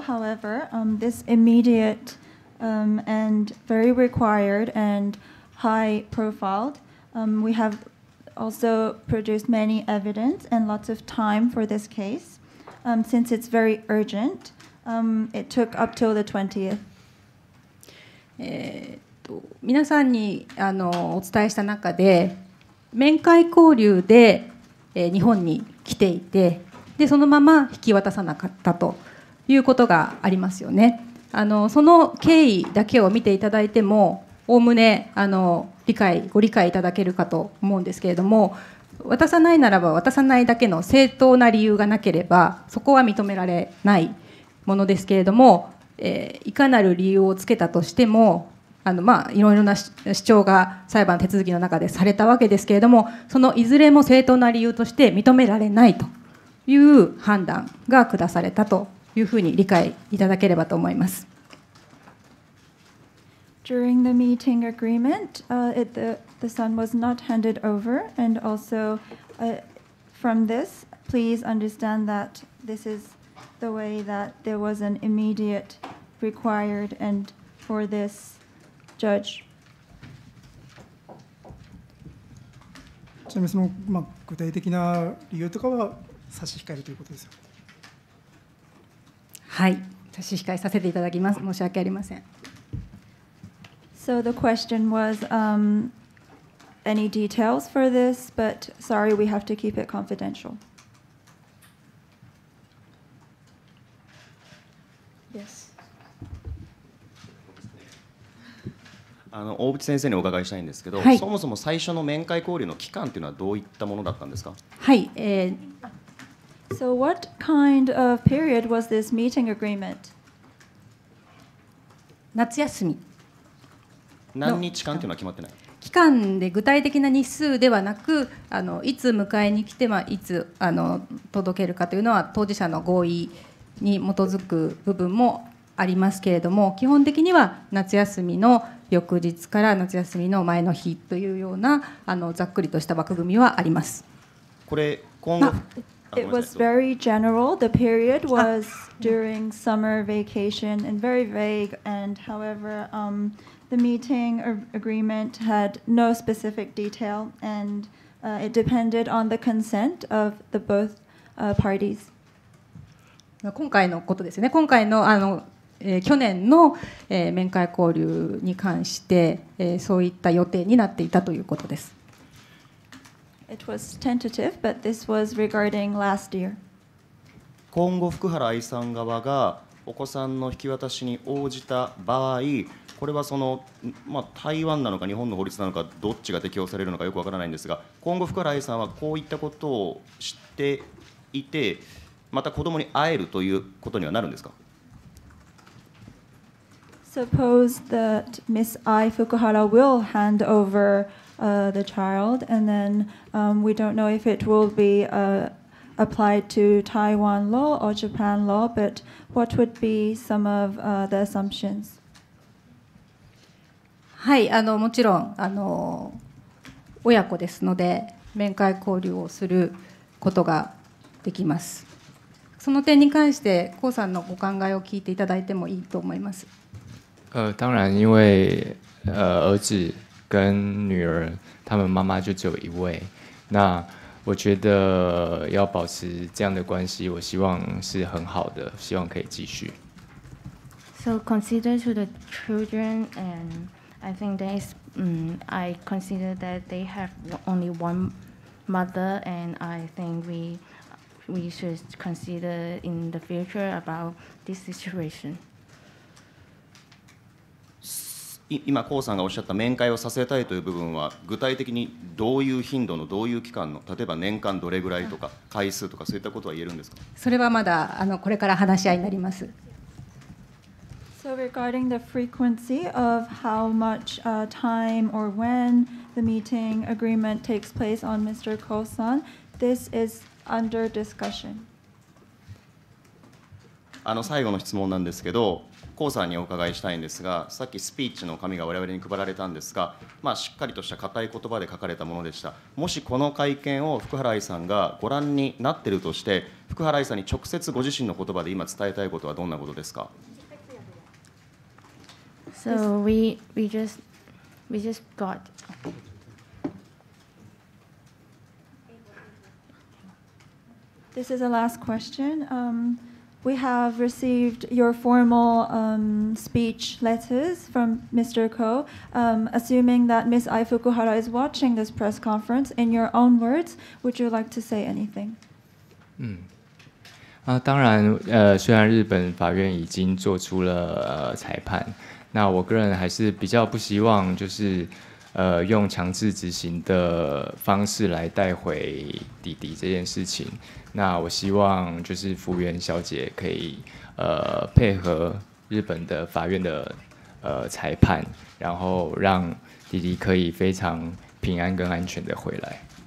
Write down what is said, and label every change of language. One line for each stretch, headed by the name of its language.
English: However, this immediate and very required and high profiled, we have also produced many evidence and lots of time for this case. Since it's very urgent, it took up till the 20th.
Japanese: 皆さんにお伝えした中で、面会交流で日本に来ていて、でそのまま引き渡さなかったということがありますよね。その経緯だけを見ていただいても、おおむね理解、ご理解いただけるかと思うんですけれども、渡さないならば渡さないだけの正当な理由がなければ、そこは認められないものですけれども、いかなる理由をつけたとしても、いろいろな主張が裁判手続きの中でされたわけですけれども、そのいずれも正当な理由として認められないという判断が下されたというふうに理解いただければと思います。
English: During the meeting agreement, the son was not handed over, and also from this, please understand that this is the way that there was an immediate required and for this. Judge.
Japanese: ちなみにその、具体的な理由とかは差し控えるということですよ。はい、差し控えさせていただきます。申し訳ありません。
English: So the question was, any details for this, but sorry, we have to keep it confidential. Yes.
Japanese: 大渕先生にお伺いしたいんですけど、はい、そもそも最初の面会交流の期間というのはどういったものだったんですか。はい、
English: So what kind of period was this meeting agreement?
Japanese: 夏休み。何日間というのは決まってない。期間で具体的な日数ではなく、いつ迎えに来て、いつ届けるかというのは当事者の合意に基づく部分もありますけれども、基本的には夏休みの翌日から夏休みの前の日というようなざっくりとした枠組みはあります。これ今後
English: It was very general. The period was during summer vacation and very vague. And however, the meeting agreement had no specific detail and it depended on the consent of the both parties.
Japanese: 今回のことですね。今回の去年の面会交流に関してそういった予定になっていたということです。
English: It was tentative, but this was regarding last year.
Japanese: 今後福原愛さん側がお子さんの引き渡しに応じた場合、これはその、台湾なのか日本の法律なのかどっちが適用されるのかよくわからないんですが、今後福原愛さんはこういったことを知っていて、また子供に会えるということにはなるんですか。
English: Suppose that Miss Ai Fukuhara will hand over the child, and then we don't know if it will be applied to Taiwan law or Japan law, but what would be some of the assumptions?
Japanese: はい、もちろん親子ですので面会交流をすることができます。その点に関して江さんのご考えを聞いていただいてもいいと思います。
Chinese: 当然，因为儿子跟女儿，他们妈妈就只有一位。那我觉得要保持这样的关系，我希望是很好的，希望可以继续。
English: So consider to the children, and I think that is, I consider that they have only one mother, and I think we should consider in the future about this situation.
Japanese: 今江さんがおっしゃった面会をさせたいという部分は具体的にどういう頻度のどういう期間の例えば年間どれぐらいとか回数とかそういったことは言えるんですか。それはまだこれから話し合いになります。
English: So regarding the frequency of how much time or when the meeting agreement takes place on Mr. Koh-san, this is under discussion.
Japanese: 最後の質問なんですけど、江さんにお伺いしたいんですが、さっきスピーチの紙が我々に配られたんですが、まあ、しっかりとした固い言葉で書かれたものでした。もしこの会見を福原愛さんがご覧になっているとして、福原愛さんに直接ご自身の言葉で今伝えたいことはどんなことですか？
English: So we just got This is the last question. We have received your formal speech letters from Mr. Ko. Assuming that Ms. Ai Fukuhara is watching this press conference, in your own words, would you like to say anything?
Chinese: 当然，虽然日本法院已经做出了裁判，那我个人还是比较不希望，就是用强制执行的方式来带回弟弟这件事情。那我希望就是福原小姐可以配合日本的法院的裁判，然后让弟弟可以非常平安跟安全的回来。